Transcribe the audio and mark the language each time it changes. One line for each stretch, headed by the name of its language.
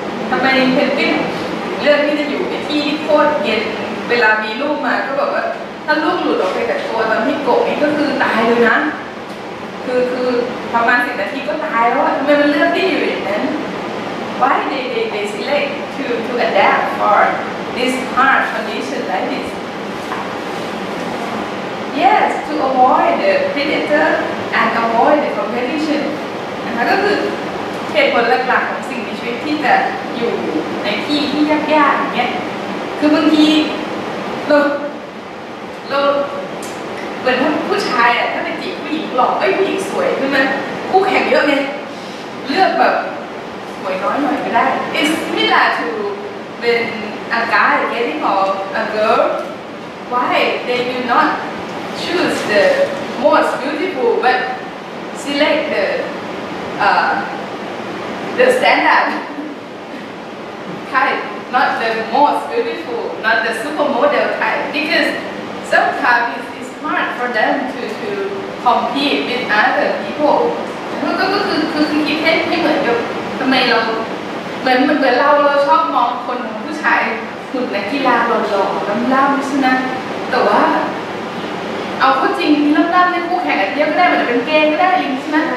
Thai: ทำไมเพนกวินเลือกที่จะอยู่ในที่โคตรเย็นเวลามีลูกมาก็แบบว่าถ้าลูกหลุดออกไปจากตัวตอนที่กบนี่ก็คือตายเลยนะคือประมาณ10นาทีก็ตายแล้วทำไมมันเลือกที่อยู่อย่างนั้น
English: Why they select to adapt for this hard condition like this? Yes, to avoid the predator and avoid the competition.
Thai: นะคะก็คือเหตุผลหลักๆของสิ่งมีชีวิตที่จะอยู่ในที่ที่ยากๆอย่างเงี้ยคือบางทีเราเหมือนผู้ชายอ่ะถ้าไปจีบผู้หญิงหล่อเอ้ยผู้หญิงสวยใช่ไหมคู่แข่งเยอะไงเลือกแบบสวยน้อยหน่อยก็ได้
English: It's similar to when a guy getting or a girl. Why they do notChoose the most beautiful, but select the standard type, not the most beautiful, not the supermodel type. Because sometimes it's hard for them to compete with other people.
Thai: ก็คือคิดให้เหมือนกับทำไมเหมือนเราชอบมองคนผู้ชายหุ่นนักกีฬาหล่อๆล่ำๆใช่ไหมแต่ว่าเอาข้อจริงล่ำๆในคู่แข่งอะไรก็ได้เหมือนเป็นเกงก็ได้ลิงใช่ไหม